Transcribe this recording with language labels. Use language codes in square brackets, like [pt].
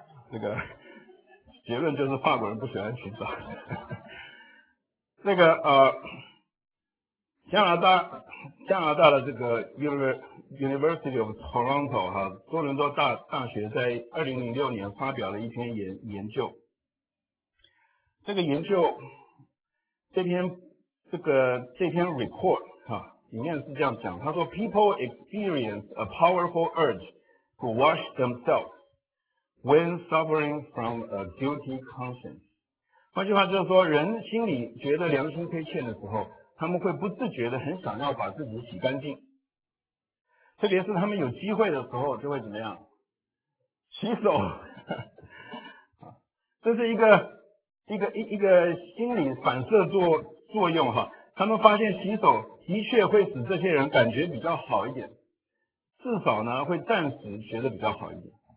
[zh] 这个结论就是法国人不喜欢洗澡。那个加拿大的这个 University of Toronto 哈，多伦多大学在2006年发表了一篇研究。这个研究这篇 report 哈，里面是这样讲，他说 [en] People experience a powerful urge to wash themselves when suffering from a guilty conscience。 [zh] 换句话就是说，人心里觉得良心亏欠的时候，他们会不自觉的很想要把自己洗干净，特别是他们有机会的时候就会怎么样，洗手。这是一个心理反射作用哈，他们发现洗手的确会使这些人感觉比较好一点，至少呢会暂时觉得比较好一点。